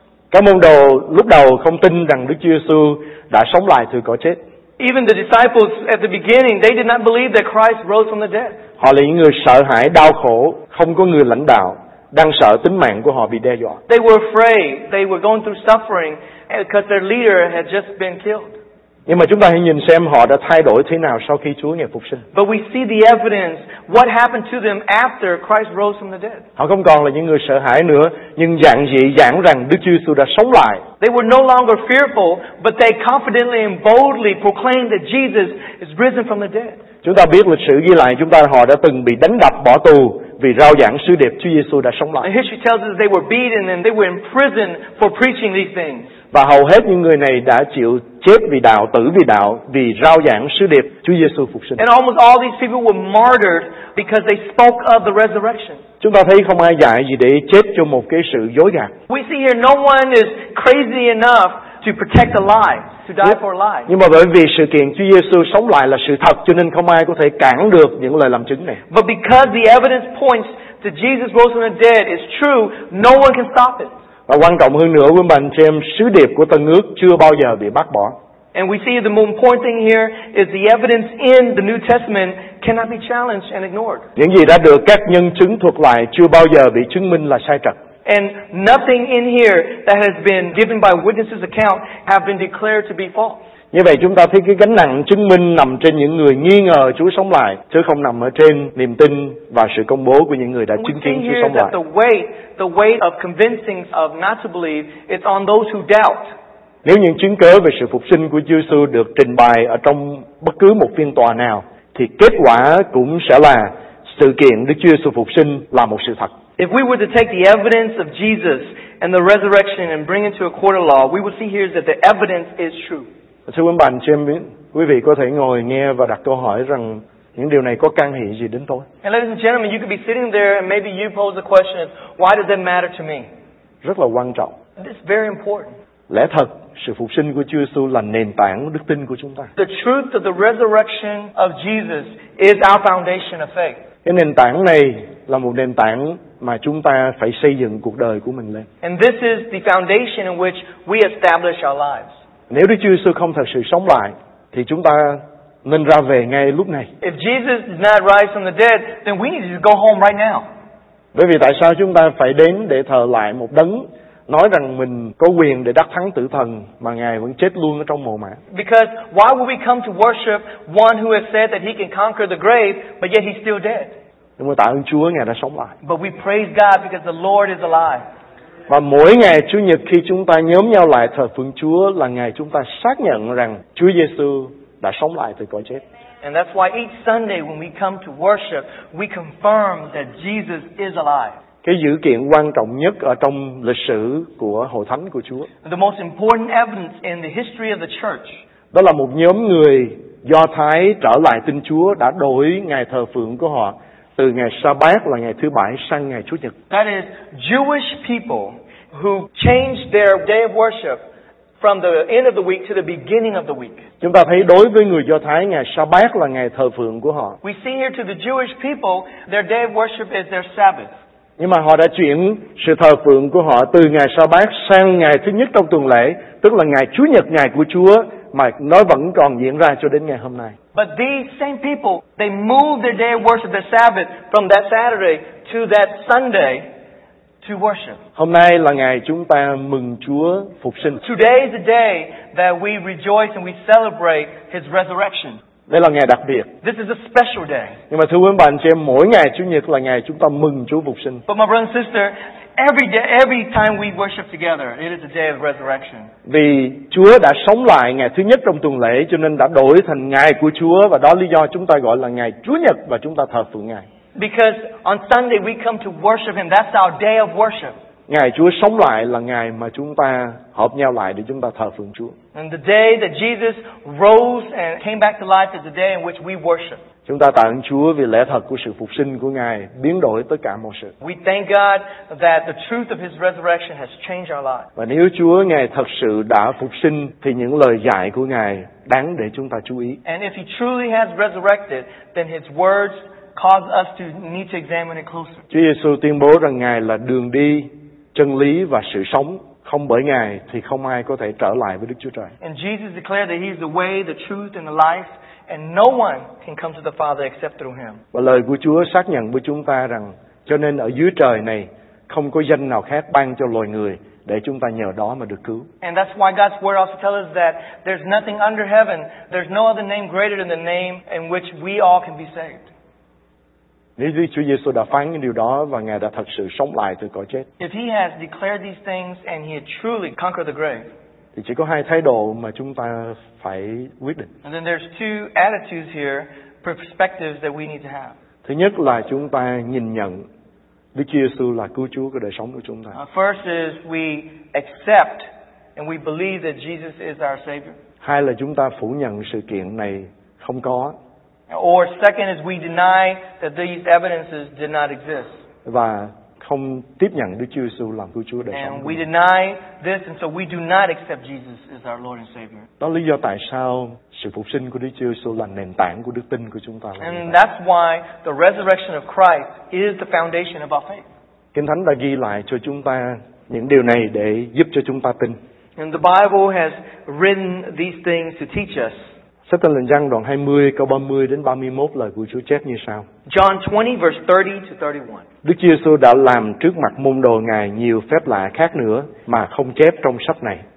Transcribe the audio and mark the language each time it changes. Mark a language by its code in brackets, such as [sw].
[vi] Các môn đồ lúc đầu không tin rằng Đức Chúa Giêsu đã sống lại từ cõi chết. [en] Even the disciples at the beginning, they did not believe that Christ rose from the dead. [vi] Họ là những người sợ hãi, đau khổ, không có người lãnh đạo, đang sợ tính mạng của họ bị đe dọa. [en] They were afraid. They were going through suffering because their leader had just been killed. [vi] Nhưng mà chúng ta hãy nhìn xem họ đã thay đổi thế nào sau khi Chúa Ngài phục sinh. [en] But we see the evidence what happened to them after Christ rose from the dead. [vi] Họ không còn là những người sợ hãi nữa, nhưng dạng dị giảng rằng Đức Chúa Giêsu đã sống lại. [en] They were no longer fearful, but they confidently and boldly proclaimed that Jesus is risen from the dead. [vi] Chúng ta biết lịch sử ghi lại chúng ta họ đã từng bị đánh đập, bỏ tù vì rao giảng sứ điệp Chúa Giêsu đã sống lại. [en] And history tells us they were beaten and they were in prison for preaching these things. [vi] Và hầu hết những người này đã chịu chết vì đạo, tử vì đạo, vì rao giảng sứ điệp Chúa Giêsu phục sinh. [en] And almost all these people were martyred because they spoke of the resurrection. [vi] Chúng ta thấy không ai dạy gì để chết cho một cái sự dối gạt. [en] We see here no one is crazy enough to protect a lie, to die for a lie. [vi] Nhưng mà bởi vì sự kiện Chúa Giêsu sống lại là sự thật, cho nên không ai có thể cản được những lời làm chứng này. [en] But because the evidence points to Jesus rose from the dead is true, no one can stop it. [vi] Và quan trọng hơn nữa, quý bạn xem, sứ điệp của Tân Ước chưa bao giờ bị bác bỏ. [en] And we see the most important thing here is the evidence in the New Testament cannot be challenged and ignored. [vi] Những gì đã được các nhân chứng thuật lại chưa bao giờ bị chứng minh là sai trật. [en] And nothing in here that has been given by witnesses' account have been declared to be false. [vi] Như vậy chúng ta thấy cái gánh nặng chứng minh nằm trên những người nghi ngờ Chúa sống lại, chứ không nằm ở trên niềm tin và sự công bố của những người đã chứng kiến Chúa sống lại. [en] The weight of convincing of not to believe is on those who doubt. [vi] Nếu những chứng cớ về sự phục sinh của Chúa Giêsu được trình bày ở trong bất cứ một phiên tòa nào, thì kết quả cũng sẽ là sự kiện Đức Chúa Giêsu phục sinh là một sự thật. [en] If we were to take the evidence of Jesus and the resurrection and bring it to a court of law, we would see here that the evidence is true. [vi] Thưa quý bạn, xem quý vị có thể ngồi nghe và đặt câu hỏi rằng những điều này có can hệ gì đến tôi? [en] And ladies and gentlemen, you could be sitting there and maybe you pose the question, why does that matter to me? [vi] Rất là quan trọng. [en] It's very important. [vi] Lẽ thật sự phục sinh của Chúa Giêsu là nền tảng đức tin của chúng ta. [en] The truth of the resurrection of Jesus is our foundation of faith. [vi] Cái nền tảng này là một nền tảng mà chúng ta phải xây dựng cuộc đời của mình lên. [en] And this is the foundation in which we establish our lives. [vi] Nếu Đức Chúa Giêsu không thật sự sống lại thì chúng ta nên ra về ngay lúc này. [en] If Jesus did not rise from the dead, then we need to go home right now. [vi] Bởi vì tại sao chúng ta phải đến để thờ lại một đấng nói rằng mình có quyền để đắc thắng tử thần mà Ngài vẫn chết luôn ở trong mộ mả? [en] Because why would we come to worship one who has said that he can conquer the grave, but yet he's still dead? [vi] Chúng ta tạ ơn Chúa Ngài đã sống lại. [en] But we praise God because the Lord is alive. [vi] Và mỗi ngày Chủ nhật khi chúng ta nhóm nhau lại thờ phượng Chúa là ngày chúng ta xác nhận rằng Chúa Giêsu đã sống lại từ cõi chết. [en] And that's why each Sunday when we come to worship, we confirm that Jesus is alive. [vi] Cái dữ kiện quan trọng nhất ở trong lịch sử của Hội Thánh của Chúa. [en] The most important evidence in the history of the church. [vi] Đó là một nhóm người Do Thái trở lại tin Chúa đã đổi ngày thờ phượng của họ từ ngày Sa-bát là ngày thứ bảy sang ngày Chủ nhật. [en] That is Jewish people who changed their day of worship from the end of the week to the beginning of the week. [vi] Chúng ta thấy đối với người Do Thái ngày Sa-bát là ngày thờ phượng của họ. [en] We see here to the Jewish people their day of worship is their Sabbath. [vi] Nhưng mà họ đã chuyển sự thờ phượng của họ từ ngày Sa-bát sang ngày thứ nhất trong tuần lễ, tức là ngày Chủ nhật ngày của Chúa mà nó vẫn còn diễn ra cho đến ngày hôm nay. [en] But these same people, they moved their day of worship, the Sabbath, from that Saturday to that Sunday to worship. [vi] Hôm nay là ngày chúng ta mừng Chúa phục sinh. [en] Today is the day that we rejoice and we celebrate His resurrection. [vi] Đây là ngày đặc biệt. [en] This is a special day. [vi] Nhưng mà thưa quý bạn chị em, mỗi ngày Chủ nhật là ngày chúng ta mừng Chúa phục sinh. [en] But my brother and sister, every day, every time we worship together, it is a day of resurrection. [vi] Vì Chúa đã sống lại ngày thứ nhất trong tuần lễ, cho nên đã đổi thành ngày của Chúa, và đó lý do chúng ta gọi là ngày Chủ nhật và chúng ta thờ phượng Ngài. [en] Because on Sunday we come to worship Him. That's our day of worship. [vi] Ngày Chúa sống lại là ngày mà chúng ta họp nhau lại để chúng ta thờ phượng Chúa. [en] And the day that Jesus rose and came back to life is the day in which we worship. [vi] Chúng ta tạ ơn Chúa vì lẽ thật của sự phục sinh của Ngài biến đổi tất cả mọi sự. [en] We thank God that the truth of His resurrection has changed our lives. [vi] Và nếu Chúa Ngài thật sự đã phục sinh thì những lời dạy của Ngài đáng để chúng ta chú ý. [en] And if He truly has resurrected, then His words cause us to need to examine it closer. [vi] Chúa Giêsu tuyên bố rằng Ngài là đường đi, chân lý và sự sống. Không bởi Ngài thì không ai có thể trở lại với Đức Chúa Trời. [en] And Jesus declared that He is the way, the truth, and the life, and no one can come to the Father except through Him. [vi] Và lời của Chúa xác nhận với chúng ta rằng, cho nên ở dưới trời này không có danh nào khác ban cho loài người để chúng ta nhờ đó mà được cứu. [en] And that's why God's word also tells us that there's nothing under heaven, there's no other name greater than the name in which we all can be saved. [vi] Nếu Đức Chúa Giêsu đã phán những điều đó và Ngài đã thật sự sống lại từ cõi chết. [en] If He has declared these things and He had truly conquered the grave. [vi] Thì chỉ có hai thái độ mà chúng ta phải quyết định. [en] And then there's two attitudes here, perspectives that we need to have. [vi] Thứ nhất là chúng ta nhìn nhận Đức Chúa Giêsu là cứu Chúa của đời sống của chúng ta. [en] First is we accept and we believe that Jesus is our Savior. [vi] Hai là chúng ta phủ nhận sự kiện này không có. [en] Or second is we deny that these evidences did not exist. [vi] Và không tiếp nhận Đức Chúa Giêsu làm cứu Chúa đời sống. [en] And we deny this, and so we do not accept Jesus as our Lord and Savior. [vi] Đó là lý do tại sao sự phục sinh của Đức Chúa Giêsu là nền tảng của đức tin của chúng ta. [en] And that's why the resurrection of Christ is the foundation of our faith. [vi] Kinh Thánh đã ghi lại cho chúng ta những điều này để giúp cho chúng ta tin. [en] And the Bible has written these things to teach us. [vi] Sách Thánh Lệnh Giăng đoạn 20 câu 30 đến 31 lời của Chúa chép như sau. [en] John 20 verse 30 to 31. [vi] Đức Chúa Giêsu đã làm trước mặt môn đồ Ngài nhiều phép lạ khác nữa mà không chép trong sách này.